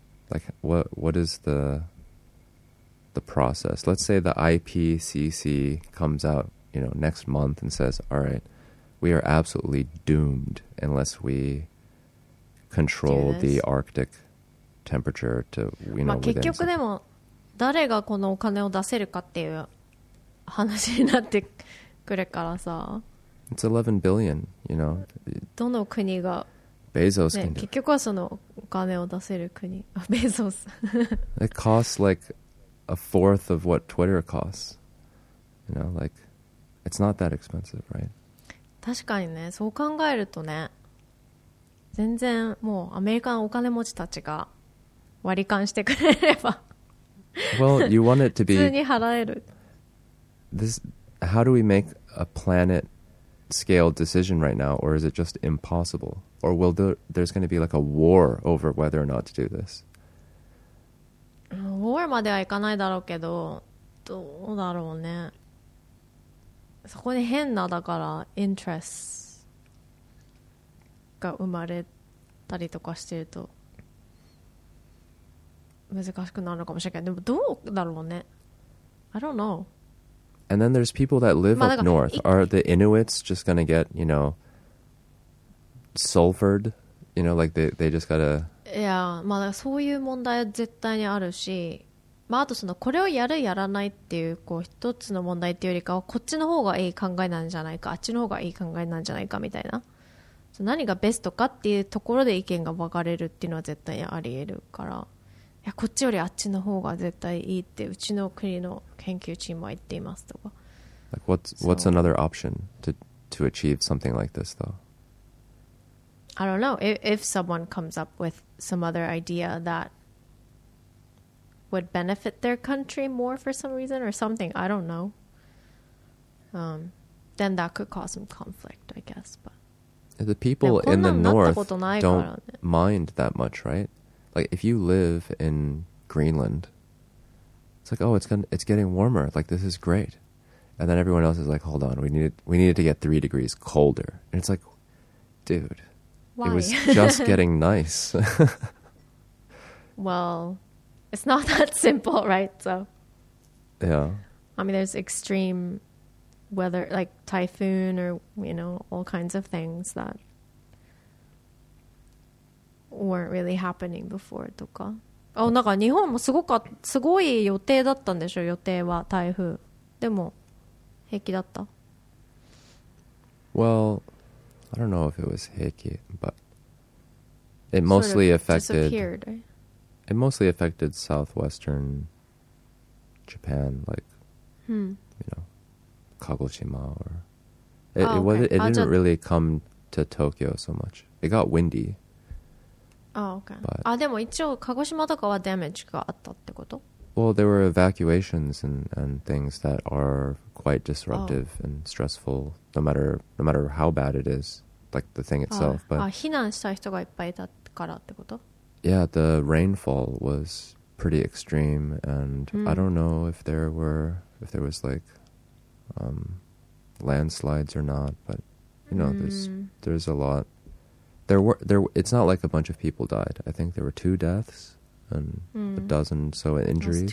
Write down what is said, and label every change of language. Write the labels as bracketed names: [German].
[English] Like, what is the process? Let's say the IPCC comes out, you know, next month and says, all right, we are absolutely doomed unless we control the Arctic temperature to, you know, within. [Japanese] 結局でも誰がこのお金を出せるかっていう話になってくるからさ。 [English] It's 11 billion, you know. [Japanese] どの国が。 [English] Bezos can do. [Japanese] 結局はそのお金を出せる国。 [English] Bezos. It costs like a fourth of what Twitter costs. You know, like, it's not that expensive, right? [Japanese] 確かにね、そう考えるとね、全然もうアメリカのお金持ちたちが割り勘してくれれば。 [English] Well, you want it to be... [Japanese] 普通に払える。 [English] This, how do we make a planet... scale decision right now, or is it just impossible? Or will there's going to be like a war over whether or not to do this? [Japanese] War まではいかないだろうけど、どうだろうね。そこに変なだから interest が生まれたりとかしてると、難しくなるかもしれない。でもどうだろうね。 [English] I don't know. And then there's people that live up north. Are the Inuits just gonna get, you know, sulfured? You know, like they just gotta. [Japanese] Yeah, まあそういう問題は絶対にあるし、まああとそのこれをやるやらないっていうこう一つの問題っていうよりかはこっちの方がいい考えなんじゃないか、あっちの方がいい考えなんじゃないかみたいな。何がベストかっていうところで意見が分かれるっていうのは絶対にあり得るから、いやこっちよりあっちの方が絶対いいってうちの国の研究チームは言っていますとか。 [English] Like what's another option to achieve something like this though? I don't know. If someone comes up with some other idea that would benefit their country more for some reason or something, I don't know. Then that could cause some conflict, I guess, but. The people in the north don't mind that much, right? Like, if you live in Greenland, it's like, oh, it's getting warmer. Like, this is great. And then everyone else is like, hold on, we need it to get 3 degrees colder. And it's like, dude, why? It was just getting nice. Well, it's not that simple, right? So, yeah. I mean, there's extreme... weather like typhoon or you know all kinds of things that weren't really happening before とか。 [Japanese] あ、なんか日本もすごかすごい予定だったんでしょ、予定は台風でも平気だった。 [English] Well, I don't know if it was 平気, but it mostly affected sort of disappeared, right? It mostly affected southwestern Japan, like you know. Kagoshima or it didn't really come to Tokyo so much. It got windy. Oh, okay. But, ah, [Japanese] でも一応鹿児島とかはダメージがあったってこと? [English] Well, there were evacuations and things that are quite disruptive and stressful no matter how bad it is, like the thing itself. But, [Japanese] 避難した人がいっぱいいたからってこと? [English] Yeah, the rainfall was pretty extreme and I don't know if there was likelandslides or not, but you know, there's a lot. There were. It's not like a bunch of people died. I think there were 2 deaths and a dozen so injuries.